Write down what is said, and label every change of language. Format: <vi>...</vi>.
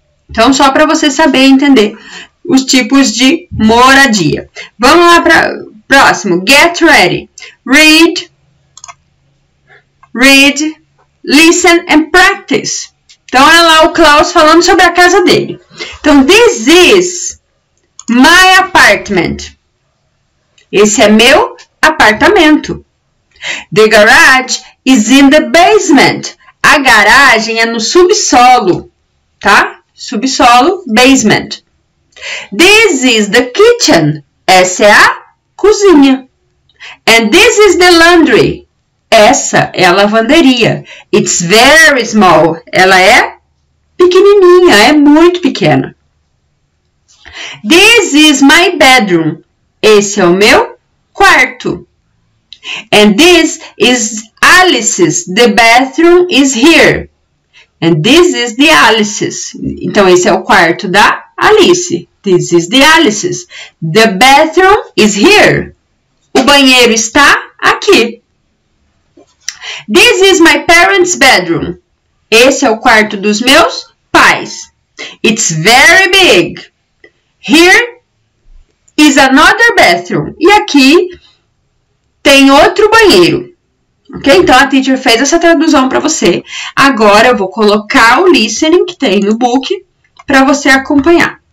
<pt>Então, só para você saber entender os tipos de moradia. Vamos lá para o próximo.</pt> <en>Get ready. Read. Read. Listen and practice.</en> <pt>Então, é lá o Klaus falando sobre a casa dele.</pt> <en>Então, this is my apartment.</en> <pt>Esse é meu apartamento.</pt> <en>The garage is in the basement.</en> <pt>A garagem é no subsolo, tá?</pt> <en>Subsolo, basement. This is the kitchen.</en> <pt>Essa é a cozinha.</pt> <en>And this is the laundry.</en> <pt>Essa é a lavanderia.</pt> <en>It's very small.</en> <pt>Ela é pequenininha, é muito pequena.</pt> <en>This is my bedroom.</en> <pt>Esse é o meu quarto.</pt> <en>And this is Alice's. The bathroom is here. And this is the Alice's.</en> <pt>Então, esse é o quarto da Alice.</pt> <en>This is the Alice's. The bathroom is here.</en> <pt>O banheiro está aqui.</pt> <en>This is my parents' bedroom.</en> <pt>Esse é o quarto dos meus pais.</pt> <en>It's very big. Here is another bathroom.</en> <pt>E aqui tem outro banheiro. Ok? Então a teacher fez essa tradução para você. Agora eu vou colocar o listening que tem no book para você acompanhar.</pt>